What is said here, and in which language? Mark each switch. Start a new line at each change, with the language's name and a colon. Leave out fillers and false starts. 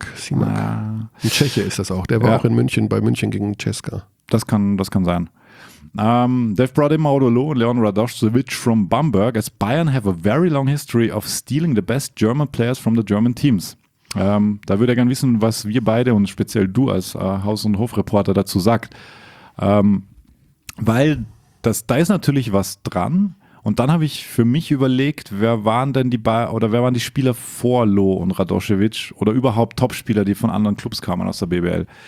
German: Ein Tscheche ist das auch. Der war auch in München, bei München gegen Ceska. Das kann sein.
English: They've brought in Mauro Loh and Leon Radoszewicz from Bamberg, as Bayern have a very long history of stealing the best German players from the German teams.
German: Da würde er gerne wissen, was wir beide und speziell du als Haus- und Hofreporter dazu sagt. Weil da ist natürlich was dran. Und dann habe ich für mich überlegt, wer waren die Spieler vor Loh und Radoszewicz oder überhaupt Topspieler, die von anderen Clubs kamen aus der BBL.